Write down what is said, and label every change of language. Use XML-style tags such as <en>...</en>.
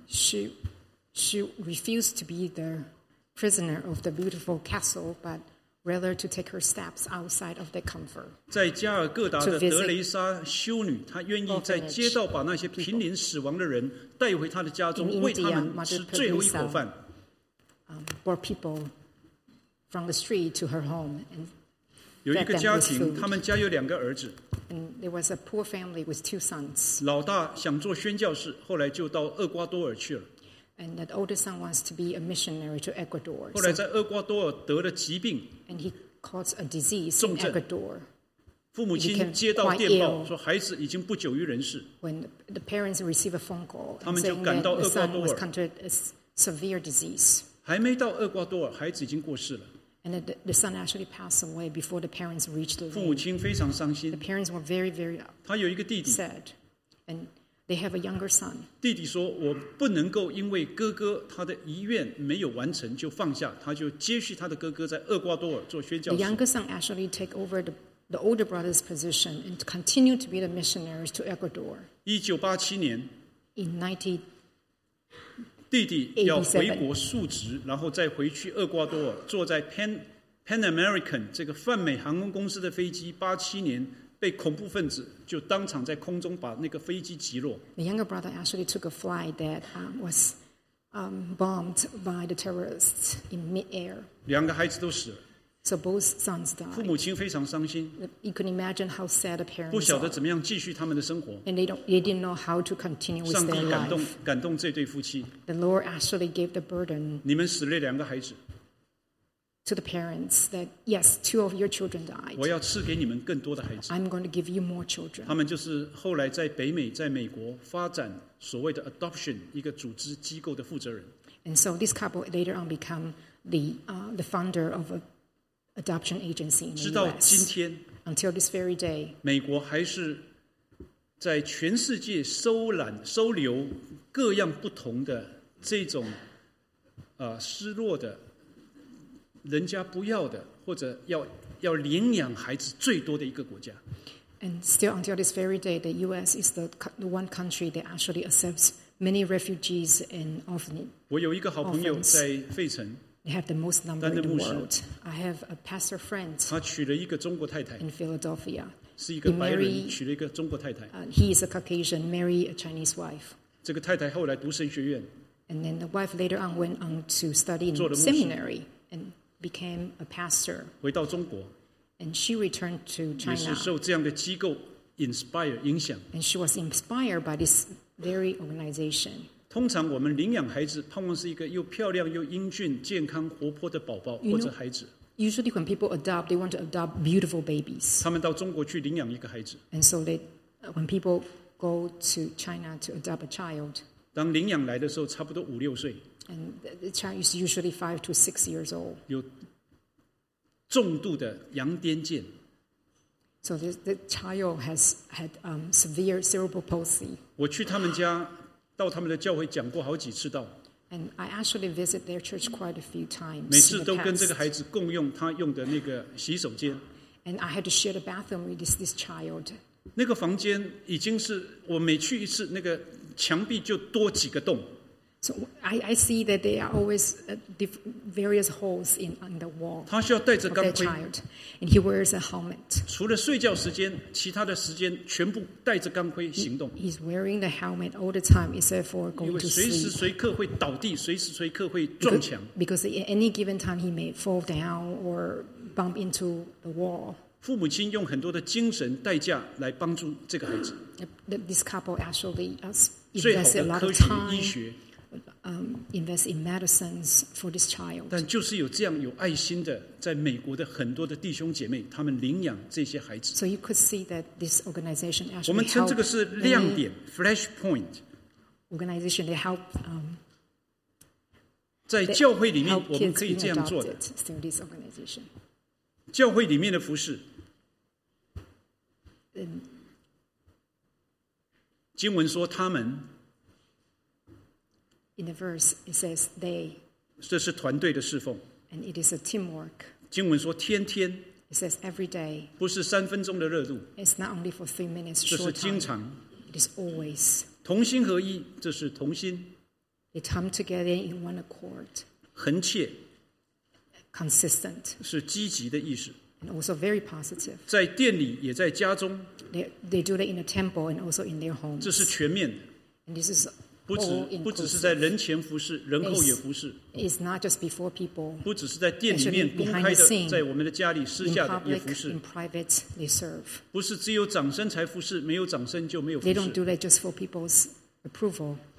<en>She refused to be the prisoner of the beautiful castle, but rather to take her steps outside of the comfort.</en> <zh>在加尔各答的德雷莎修女，她愿意在街道把那些濒临死亡的人带回她的家中，为他们吃最后一口饭。</zh> <en>For people. From the street to her home, and</en> <zh>有一个家庭，他们家有两个儿子。</zh> <en>And there was a poor family with two sons.</en> <zh>老大想做宣教士，后来就到厄瓜多尔去了。</zh> <en>And that older son wants to be a missionary to Ecuador.</en> <zh>后来在厄瓜多尔得了疾病。</zh> <en>And he caught a disease in Ecuador.</en> <zh>父母亲接到电报说孩子已经不久于人世。</zh> <en>When the parents receive a phone call,</en> <zh>他们就赶到厄瓜多尔。</zh> <en>The son was contracted a severe disease.</en> <zh>还没到厄瓜多尔，孩子已经过世了。</zh> <en>And the son actually passed away before the parents reached the land.</en> <zh>父母亲非常伤心。</zh> <en>The parents were very, very upset.</en> <zh>他有一个弟弟。</zh> <en>Sad. And they have a younger son.</en> <zh>弟弟说：“我不能够因为哥哥他的遗愿没有完成就放下，他就接续他的哥哥在厄瓜多尔做宣教士。</zh> <en>”The younger son actually take over the older brother's position and continue to be the missionaries to Ecuador.</en> <zh>1987年。</zh> <en>In 19</en> <zh>弟弟要回国述职，然后再回去厄瓜多尔，坐在 Pan American 这个泛美航空公司的飞机，87年被恐怖分子就当场在空中把那个飞机击落。</zh> <en>The younger brother actually took a flight that was bombed by the terrorists in mid-air.</en> <zh>两个孩子都死了。</zh> <en>So both sons died.</en> <zh>父母亲非常伤心。</zh> <en>You can imagine how sad a parent.</en> <zh>不晓得怎么样继续他们的生活。</zh> <en>And they didn't know how to continue with their life.</en> <zh>感动这对夫妻。</zh> <en>The Lord actually gave the burden.</en> <zh>你们死了两个孩子。</zh> <en>To the parents that yes, two of your children died.</en> <zh>我要赐给你们更多的孩子。</zh> <en>I'm going to give you more children.</en> <zh>他们就是后来在北美，在美国发展所谓的 adoption 一个组织机构的负责人。</zh> <en>And so this couple later on become the founder of an adoption agency in the US.</en> <zh>直到今天</zh> <en>until this very day,</en> <zh>美国还是在全世界收留各样不同的这种失落的人家不要的或者要领养孩子最多的一个国家。</zh> <en>And still until this very day, the US is the one country that actually accepts many refugees and orphans.</en> <zh>我有一个好朋友在费城</zh> <en>have the most number in the world. I have a pastor friend</en> <zh>他娶了一个中国太太</zh> <en>in Philadelphia.</en> <zh>是一个白人娶了一个中国太太</zh> <en>he is a Caucasian, married a Chinese wife.</en> <zh>这个太太后来读神学院</zh> <en>and then the wife later on went on to study in seminary and became a pastor.</en> <zh>回到中国</zh> <en>and she returned to China.</en> <zh>也是受这样的机构 inspire 影响</zh> <en>and she was inspired by this very organization.</en> <zh>通常我们领养孩子盼望是一个又漂亮又英俊健康活泼的宝宝或者孩子</zh> <en>usually when people adopt they want to adopt beautiful babies</en> <zh>他们到中国去领养一个孩子</zh> <en>and so they, when people go to China to adopt a child</en> <zh>当领养来的时候差不多五六岁</zh> <en>and the child is usually 5 to 6 years old</en> <zh>有重度的羊癫痫</zh> <en>so the child has had severe cerebral palsy</en> <zh>我去他们家到他们的教会讲过好几次道</zh> <en>and I actually visit their church quite a few times</en> <zh>每次都跟这个孩子共用他用的那个洗手间</zh> <en>and I had to share the bathroom with this child</en> <zh>那个房间已经是我每去一次那个墙壁就多几个洞</zh> <en>so I see that there are always various holes in the wall</en> <zh>他需要带着钢盔</zh> <en>child, and he wears a helmet</en> <zh>除了睡觉时间其他的时间全部带着钢盔行动</zh> <en>he's wearing the helmet all the time except for going to sleep</en> <zh>因为随时随刻会倒地随时随刻会撞墙</zh> <en>because at any given time he may fall down or bump into the wall</en> <zh>父母亲用很多的精神代价来帮助这个孩子</zh> <en>this couple actually invests a lot of time invest in medicines for this child.</en> <zh>但就是有这样有爱心的，在美国的很多的弟兄姐妹，他们领养这些孩子。</zh> <en>So you could see that this organization actually helped.</en> <zh>我们称这个是亮点 ，flashpoint.</zh> <en>Organization they help.</en> <zh>在教会里面，我们可以这样做的。</zh> <en>Through this organization.</en> <zh>教会里面的服事。经文说他们。</zh> <en>In the verse, it says they.</en> <zh>这是团队的侍奉。</zh> <en>And it is a teamwork.</en> <zh>经文说天天。</zh> <en>It says every day.</en> <zh>不是三分钟的热度。</zh> <en>It's not only for 3 minutes.</en> <zh>这是经常。</zh> <en>It is always.</en> <zh>同心合一，这是同心。</zh> <en>They come together in one accord.</en> <zh>恒切。</zh> <en>Consistent.</en> <zh>是积极的意思。</zh> <en>And also very positive.</en> <zh>在殿里，也在家中。</zh> <en>They do that in the temple and also in their homes.</en> <zh>这是全面的。</zh> <en>And this is.</en> <zh>不只是在人前服事，人后也服事。</zh> <en>It's not just before people.</en> <zh>不只是在店里面公开的，在我们的家里私下的也服事。</zh> <en>In private, they serve.</en> <zh>不是只有掌声才服事，没有掌声就没有服事。</zh> <en>They don't do that just for people's approval.</en>